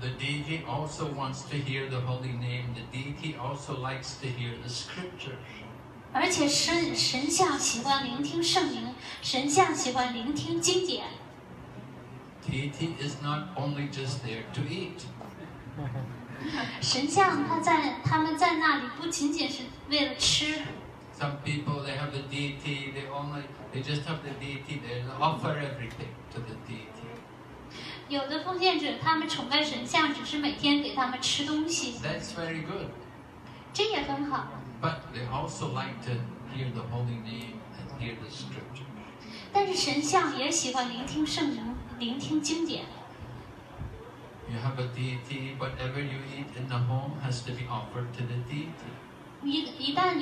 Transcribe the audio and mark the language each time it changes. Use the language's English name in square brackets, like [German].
[English] the deity also wants to hear the holy name. The deity also likes to hear the scriptures. [Chinese] 而且神像喜欢聆听圣名，神像喜欢聆听经典。 [English] He deity is not only just there to eat. [Chinese] 神像他们在那里不仅仅是为了吃。 [English] Some people, they have the deity, they just have the deity, they offer everything to the deity. [Chinese] 有的奉献者他们崇拜神像只是每天给他们吃东西。 [English] That's very good. [Chinese] 这也很好。 [English] But they also like to hear the holy name and hear the scripture. [Chinese] 但是神像也喜欢聆听圣灵，聆听经典。 [English] You have a deity, whatever you eat in the home has to be offered to the deity.